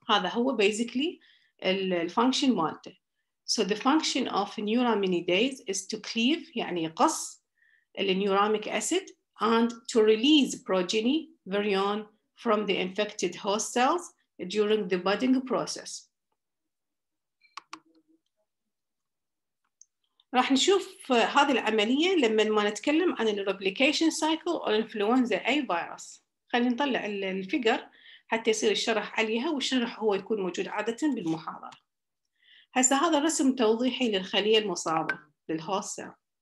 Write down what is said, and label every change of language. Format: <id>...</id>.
<ar>هذا هو بيزيكلي الفانكشن مالته.</ar> <en>So the function of neuraminidase is to cleave,</en> <ar>يعني يقص النيوراميك</ar> <en>acid and to release progeny virion from the infected host cells during the budding process.</en> <ar>راح نشوف هذه العملية لما ما نتكلم عن الـ</ar> <en>replication cycle or influenza A virus.</en> <ar>خلينا نطلع الفيجر حتى يصير الشرح عليها، والشرح هو يكون موجود عادة بالمحاضرة. هسه هذا رسم توضيحي للخلية المصابة للهوست سيل.</ar>